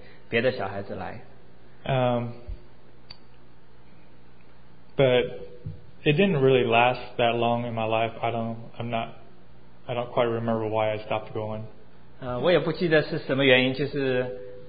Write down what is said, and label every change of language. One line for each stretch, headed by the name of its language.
Chinese: 但是我现在回想起来，我记不得什么，只记得那个时候要背圣经，然后记得老师要我们去邀请别的小孩子来。
English: But it didn't really last that long in my life. I don't quite remember why I stopped going.
Chinese: 我也不记得是什么原因，就是。